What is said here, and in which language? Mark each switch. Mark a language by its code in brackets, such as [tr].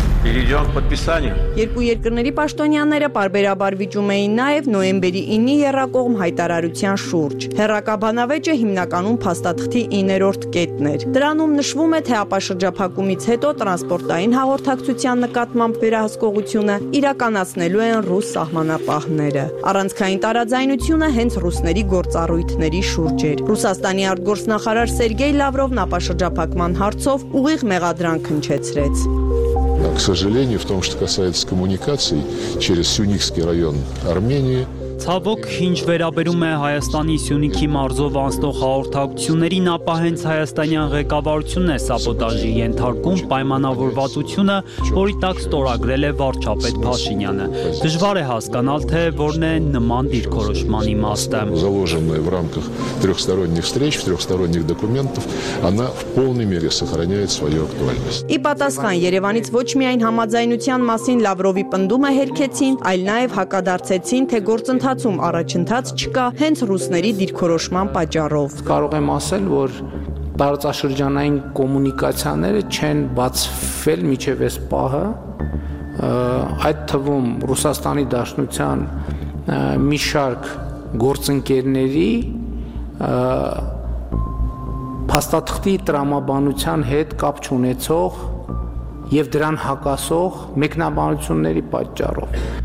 [hy] Երկու երկրների պաշտոնյաները պարբերաբար վիճում էին նաև նոյեմբերի 9-ի հեռակողմ հայտարարության շուրջ։ Հեռակաբանավեճը հիմնականում փաստաթղթի 9-րդ կետն էր։ Դրանում նշվում է, թե ապաշրջափակումից հետո տրանսպորտային հաղորդակցության նկատմամբ վերահսկողությունը իրականացնելու են ռուս սահմանապահները։ Առանցքային տարաձայնությունը հենց ռուսների գործառույթների շուրջ էր։ Ռուսաստանի արտգործնախարար Սերգեյ Լավրովն ապաշրջափակման հարցով ուղիղ մեղադրանք հնչեցրեց։ [ru] К сожалению, в том, что касается коммуникаций через Сюникский район Армении, [hy] Ցավոք, ինչ վերաբերում է Հայաստանի Սյունիքի մարզով անցնող հաղորդակցություններին, ապա հենց հայաստանյան ղեկավարությունն է սաբոտաժի ենթարկում պայմանավորվածությունը, որի տակ ստորագրել է վարչապետ Փաշինյանը։ Դժվար է հասկանալ, թե որն է նման դիրքորոշման իմաստը։ [ru] Заложенная в рамках трёхсторонних встреч, трёхсторонних документов, она в полной мере сохраняет свою актуальность։ [hy] Ի պատասխան Երևանից ոչ միայն համաձայնության մասին Լավրովի պնդումը հերքեցին, այլ նաև հակադարձեցին, թե գործընթացում առաջընթաց չկա հենց ռուսների դիրքորոշման պատճառով։ Կարող եմ ասել, որ բարձաշրջանային կոմունիկացիաները չեն բացվել մինչև այս պահը, այդ թվում Ռուսաստանի Դաշնության մի շարք գործընկերների փաստաթղթի տրամաբանության հետ կապ չունեցող և դրան հակասող մեկնաբանությունների պատճառով։